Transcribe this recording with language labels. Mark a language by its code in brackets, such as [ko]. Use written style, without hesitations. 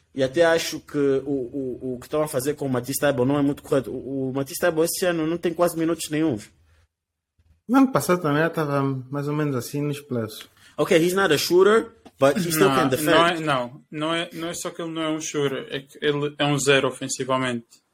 [pt] E até acho que o que estão a fazer com o Matisse Thybulle não é muito correto. O Matisse Thybulle esse ano não tem quase minutos nenhum. No ano passado também estava mais ou menos assim nos plus. [en] Ok, he's not a shooter, but he still can defend. [pt] Não é só que ele não é um shooter, é que ele é um zero ofensivamente.